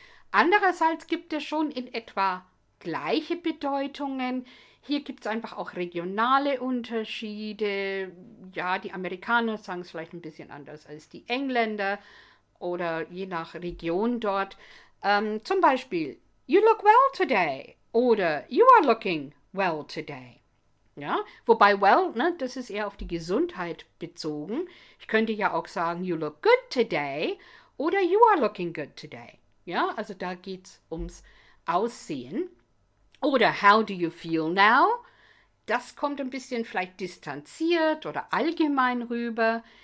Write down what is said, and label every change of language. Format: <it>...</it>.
<de>Andererseits gibt es schon in etwa gleiche Bedeutungen. Hier gibt es einfach auch regionale Unterschiede. Ja, die Amerikaner sagen es vielleicht ein bisschen anders als die Engländer oder je nach Region dort. Zum Beispiel,</de> <en>you look well today</en> <de>oder</de> <en>you are looking well today.</en> <de>Ja, wobei well, ne, das ist eher auf die Gesundheit bezogen. Ich könnte ja auch sagen,</de> <en>you look good today oder you are looking good today.</en> <de>Ja, also da geht es ums Aussehen. Oder</de> <en>how do you feel now?</en> <de>Das kommt ein bisschen vielleicht distanziert oder allgemein rüber.</de>